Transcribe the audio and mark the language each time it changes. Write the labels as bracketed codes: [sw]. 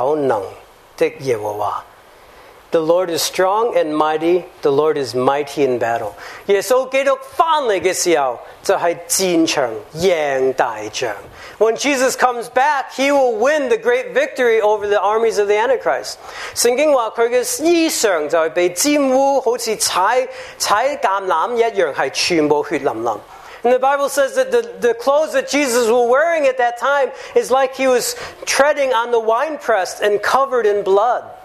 [zh] 他有力有能的耶和华，在战场上有能的耶和华。 [en] The Lord is strong and mighty. The Lord is mighty in battle. [zh] 耶稣基督回来的时候，就是战场赢大仗。 [en] When Jesus comes back, He will win the great victory over the armies of the Antichrist. [zh] 圣经说他的衣裳就被玷污，好像踩橄榄一样，是全部血淋淋。 [en] And the Bible says that the clothes that Jesus was wearing at that time is like He was treading on the winepress and covered in blood.